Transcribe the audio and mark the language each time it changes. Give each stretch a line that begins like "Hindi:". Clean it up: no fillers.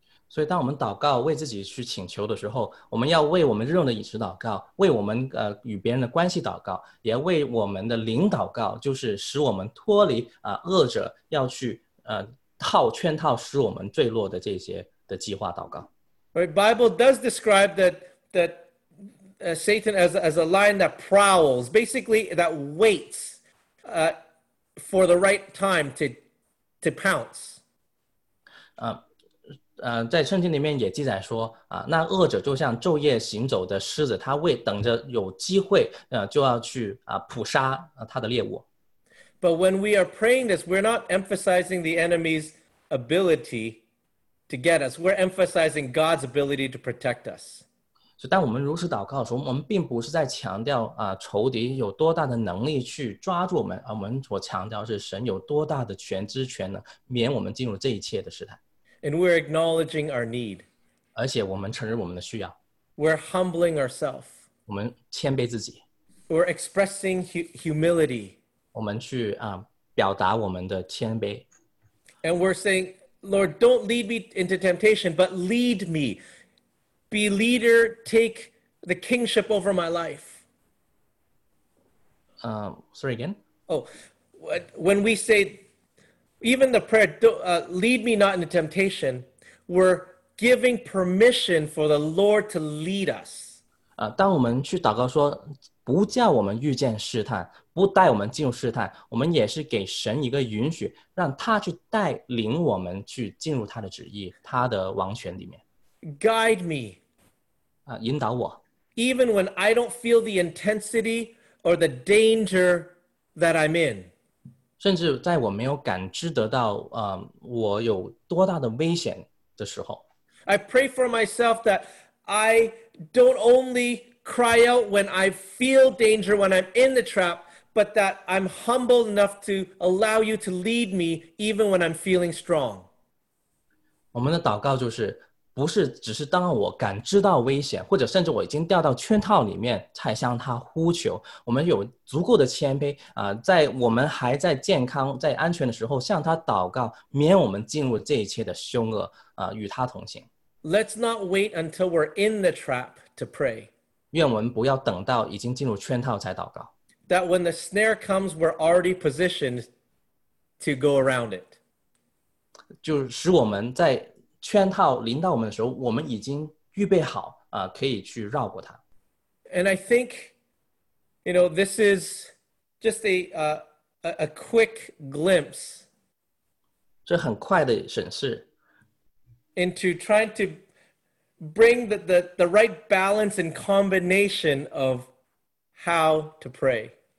Chinese: 所以当我们祷告为自己去请求的时候，我们要为我们日用的饮食祷告，为我们与别人的关系祷告，也为我们的灵祷告，就是使我们脱离恶者要去套圈套使我们坠落的这些的计划祷告。
English: Right, Bible does describe that Satan as a lion that prowls, basically that waits for the right time to pounce.
Chinese: 在圣经里面也记载说那恶者就像昼夜行走的狮子，他为等着有机会就要去捕杀他的猎物。
English: But when we are praying this, we're not emphasizing the enemy's ability to get us. We're emphasizing God's ability to protect us.
Chinese: 所以当我们如此祷告的时候，我们并不是在强调仇敌有多大的能力去抓住我们，而我们所强调是神有多大的全知全能免我们进入这一切的试探。
English: And we're acknowledging our need.
Chinese: 而且我们承认我们的需要。
English: We're humbling ourselves.
Chinese: 我们谦卑自己。
English: We're expressing humility.
Chinese: 我们去表达我们的谦卑。
English: And we're saying, Lord, don't lead me into temptation, but lead me. Be leader, take the kingship over my life. Sorry, again? Oh, when we say, even the prayer, lead me not into temptation, we're giving permission for the Lord to lead us.
Chinese: 当我们去祷告说不叫我们遇见试探，不带我们进入试探，我们也是给神一个允许，让他去带领我们去进入他的旨意，他的王权里面。
English: Guide me.
Chinese: 引导我。
English: Even when I don't feel the intensity or the danger that I'm in.
Chinese: 甚至在我没有感知得到我有多大的危险的时候。
English: I pray for myself that I don't only cry out when I feel danger, when I'm in the trap,but that I'm humble enough to allow you to lead me even when I'm feeling strong.
Chinese: 我们的祷告就是不是只是当我感知到危险或者甚至我已经掉到圈套里面才向他呼求，我们有足够的谦卑在我们还在健康在安全的时候向他祷告，免我们进入这一切的凶恶与他同行。
English: Let's not wait until we're in the trap to pray.
Chinese: 愿我们不要等到已经进入圈套才祷告。
English: That when the snare comes, we're already positioned to go around it.
Chinese: 就使我们在圈套临到我们的时候，我们已经预备好可以去绕过它。
English: And I think, you know, this is just a quick glimpse.
Chinese: 这很快的审视。
English: Into trying to bring the right balance and combination of how to pray.